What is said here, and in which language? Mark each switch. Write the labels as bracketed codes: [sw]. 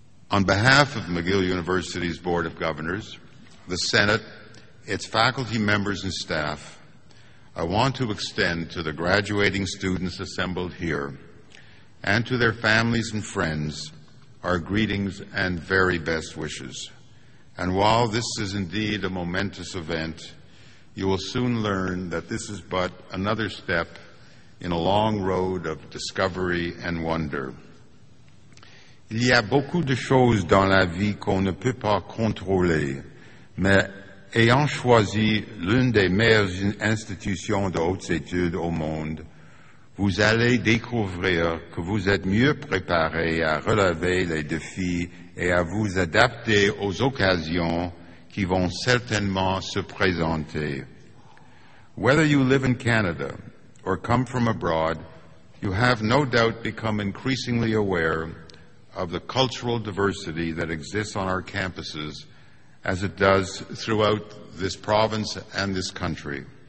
[en] On behalf of McGill University's Board of Governors, the Senate, its faculty members and staff, I want to extend to the graduating students assembled here and to their families and friends our greetings and very best wishes. And while this is indeed a momentous event, you will soon learn that this is but another step in a long road of discovery and wonder. [fr] Il y a beaucoup de choses dans la vie qu'on ne peut pas contrôler, mais ayant choisi l'une des meilleures institutions de hautes études au monde, vous allez découvrir que vous êtes mieux préparé à relever les défis et à vous adapter aux occasions qui vont certainement se présenter. [en] Whether you live in Canada or come from abroad, you have no doubt become increasingly aware of the cultural diversity that exists on our campuses as it does throughout this province and this country.